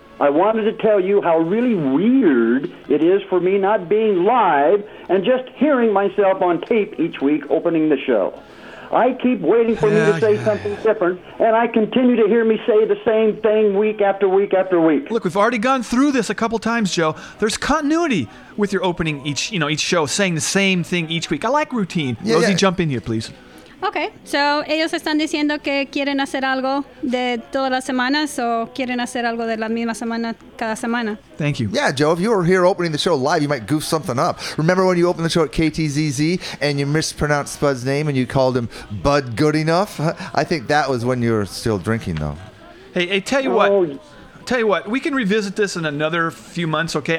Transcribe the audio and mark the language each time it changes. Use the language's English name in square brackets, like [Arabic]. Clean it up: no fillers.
[English] I wanted to tell you how really weird it is for me not being live and just hearing myself on tape each week opening the show. I keep waiting for me to say something different, and I continue to hear me say the same thing week after week after week. Look, we've already gone through this a couple times, Joe. There's continuity with your opening each show, saying the same thing each week. I like routine. Yeah, Rosie, jump in here, please. [Spanish] Okay, so ellos están diciendo que quieren hacer algo de todas las semanas o quieren hacer algo de la misma semana cada semana. [English] Thank you. Yeah, Joe, if you were here opening the show live, you might goof something up. Remember when you opened the show at KTZZ and you mispronounced Spud's name and you called him Bud Goodenough? I think that was when you were still drinking, though. Hey, tell you what, we can revisit this in another few months, okay?